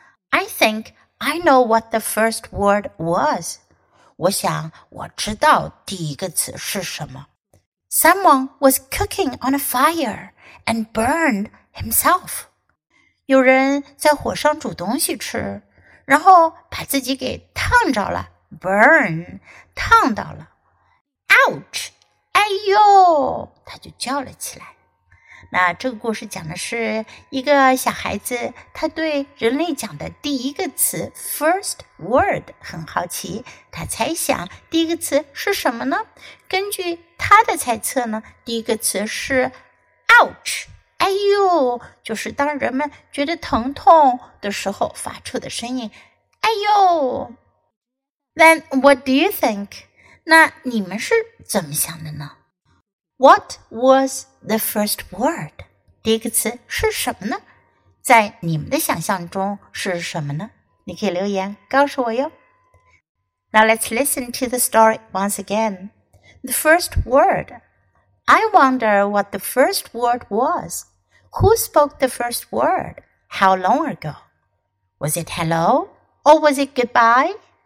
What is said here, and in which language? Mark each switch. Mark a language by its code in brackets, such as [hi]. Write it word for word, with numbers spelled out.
[en] I think I know what the first word was。 [zh] 我想我知道第一个词是什么。 [en] Someone was cooking on a fire and burned himself。 [zh] 有人在火上煮东西吃，然后把自己给烫着了。 Burn, 烫到了 Ouch, 哎呦，他就叫了起来。那这个故事讲的是一个小孩子，他对人类讲的第一个词 first word 很好奇，他猜想第一个词是什么呢？根据他的猜测呢，第一个词是 ouch， 哎呦，就是当人们觉得疼痛的时候发出的声音，哎呦。 [en] Then what do you think? [zh] 那你们是怎么想的呢？ [en] What was the first word? [zh] 第一个词是什么呢？在你们的想象中是什么呢？你可以留言告诉我哟。 [en] Now let's listen to the story once again. The first word. I wonder what the first word was. Who spoke the first word? How long ago? Was it hello? Or was it goodbye?